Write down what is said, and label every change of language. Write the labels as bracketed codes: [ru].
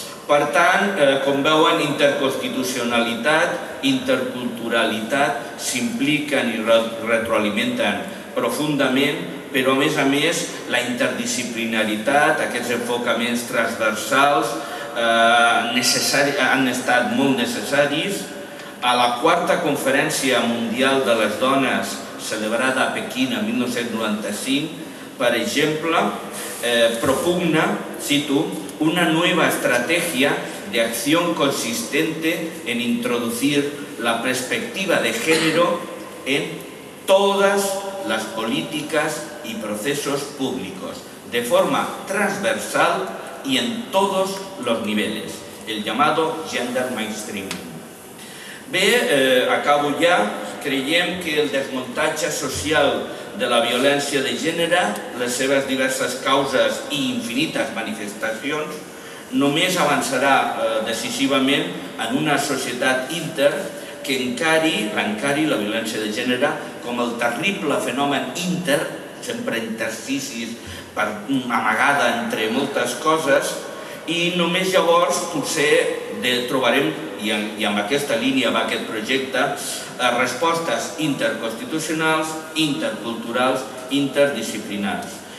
[ca] Per tant, com veuen, interconstitucionalitat, interculturalitat s'impliquen i retroalimenten profundament, però a més la interdisciplinaritat, aquests enfocaments transversals, han estat molt necessaris. A la 4ª Conferència Mundial de les Dones, celebrada a Pequín en 1995, per exemple, propugna, cito, [es] una nueva estrategia de acción consistente en introducir la perspectiva de género en todas las políticas y procesos públicos, de forma transversal y en todos los niveles, el llamado [ca] gender mainstreaming. Bé, acabo ja, creiem que el desmuntatge social de la violència de gènere, les seves diverses causes i infinites manifestacions, només avançarà decisivament en una societat inter que encari la violència de gènere com el terrible fenomen inter, sempre intersticis, amagada entre moltes coses, i només llavors potser trobarem, i amb aquesta línia va aquest projecte, respostes interconstitucionals, interculturals, interdisciplinars.